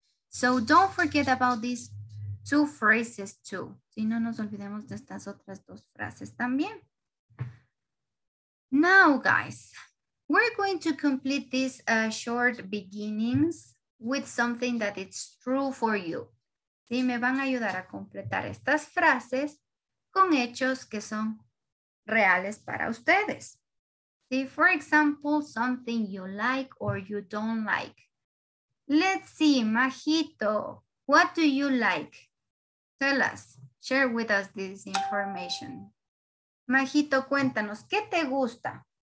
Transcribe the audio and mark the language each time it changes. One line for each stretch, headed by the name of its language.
English: So don't forget about these two phrases too.
Spanish: Si no nos olvidemos de estas otras dos frases también.
English: Now, guys, we're going to complete these short beginnings with something that it's true for you.
Spanish: Sí, me van a ayudar a completar estas frases con hechos que son reales para ustedes.
English: Sí, for example, something you like or you don't like. Let's see, Majito, what do you like? Tell us, share with us this information. Majito,
Spanish: cuéntanos, ¿qué te gusta?